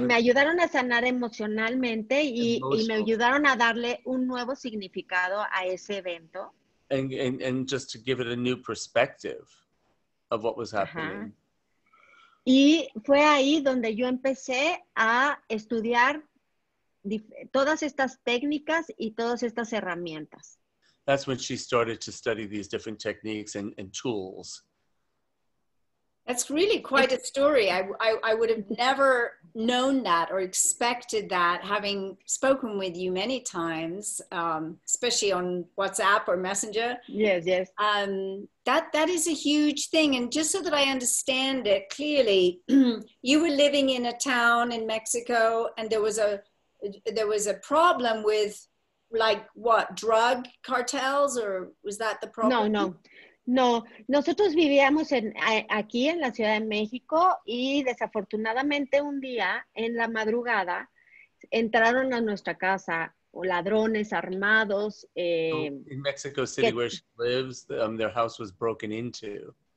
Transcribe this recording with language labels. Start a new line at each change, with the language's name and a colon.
Spanish: Me ayudaron a sanar emocionalmente y me ayudaron a darle un nuevo significado a ese evento.
English: And just to give it a new perspective of what was happening.
Spanish: Uh-huh. Y fue ahí donde yo empecé a estudiar todas estas técnicas y todas estas herramientas.
English: That's when she started to study these different techniques and tools. That's really quite a story. I would have never known that or expected that, having spoken with you many times, especially on WhatsApp or Messenger. Yes, yes. That is a huge thing. And just so that I understand it clearly, you were living in a town in Mexico, and there was a problem with, like, what, drug cartels, or was that the problem? No.
Spanish: No, nosotros vivíamos aquí en la Ciudad de México y desafortunadamente un día en la madrugada entraron a nuestra casa ladrones armados.
English: In Mexico City, where she lives, their house was broken into.